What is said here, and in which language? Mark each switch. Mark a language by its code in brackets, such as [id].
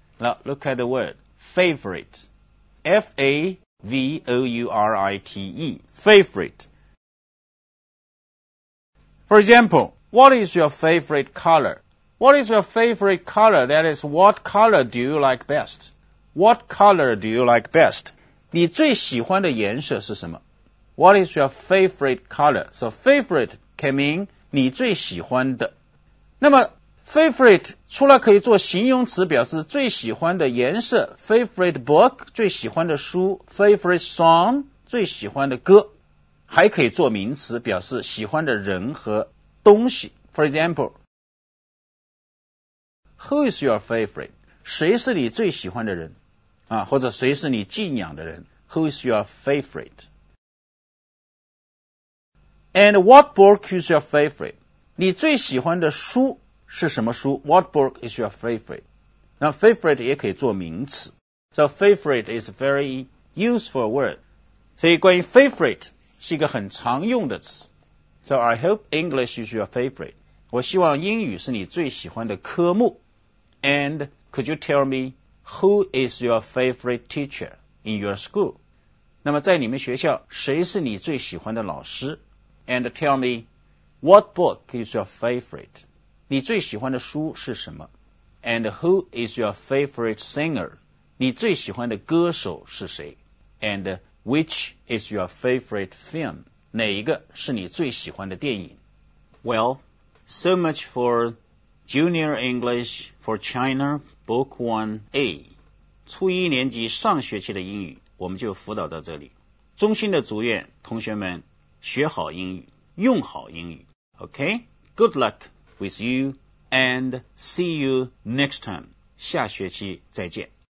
[en] Now look at the word favorite. F-A-V-O-U-R-I-T-E favorite. For example, what is your favorite color? What is your favorite color? That is, what color do you like best? What color do you like best? [zh] 你最喜欢的颜色是什么？ [en] What is your favorite color? So favorite can mean [zh] 你最喜欢的。那么 favorite 除了可以做形容词表示最喜欢的颜色 [en] favorite book [zh] 最喜欢的书 [en] favorite song [zh] 最喜欢的歌，还可以做名词表示喜欢的人和东西。 [en] For example, Who is your favorite? [zh] 谁是你最喜欢的人啊，或者谁是你敬仰的人？ [en] Who is your favorite? And what book is your favorite? [zh] 你最喜欢的书是什么书？ [en] What book is your favorite? 那 favorite [zh] 也可以做名词。 [en] So favorite is a very useful word. [zh] 所以关于 favorite 是一个很常用的词。 [en] So I hope English is your favorite. [zh] 我希望英语是你最喜欢的科目。 [en] And could you tell me who is your favorite teacher in your school? [zh] 那么在你们学校谁是你最喜欢的老师？ [en] And tell me, what book is your favorite? [zh] 你最喜欢的书是什么？ [en] And who is your favorite singer? [zh] 你最喜欢的歌手是谁 ？ [en] And which is your favorite film? [zh] 哪一个是你最喜欢的电影 [en] ？Well, so much for Junior English for China, Book 1A. [zh] 初一年级上学期的英语，我们就辅导到这里。衷心的祝愿同学们学好英语，用好英语。 [en] Okay, good luck with you and see you next time. [zh] 下学期再见。